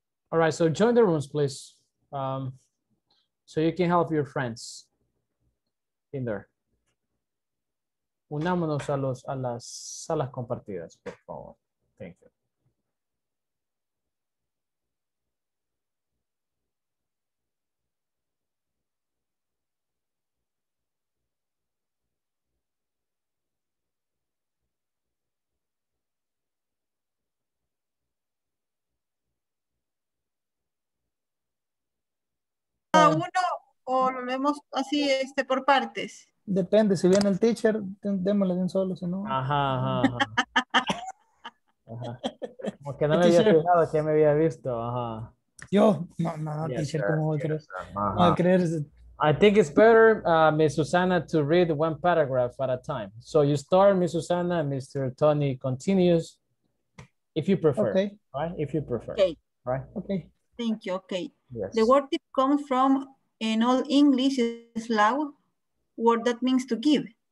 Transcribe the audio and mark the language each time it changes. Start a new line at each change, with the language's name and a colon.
English: All right, so join the rooms, please. So you can help your friends in there.
Spanish: Unámonos a los a las salas compartidas, por favor.
English: Thank you.
Spanish: Uno o lo vemos así este por partes. Depende, si viene el teacher, démosle bien solo, si no. Ajá. Como que no me había fijado que me había visto. Ajá. Yo, teacher, ¿cómo voy a creer? Uh-huh. ¿Cómo voy a creer?
English: I think it's better, Miss Susana, to read one paragraph at a time. So you start, Miss Susana, Mr. Tony continues. If you prefer. Okay. Right? If you prefer. Okay. Right? Okay. Thank you. Okay. Yes. The word tip comes from an old English Slav word that means to give.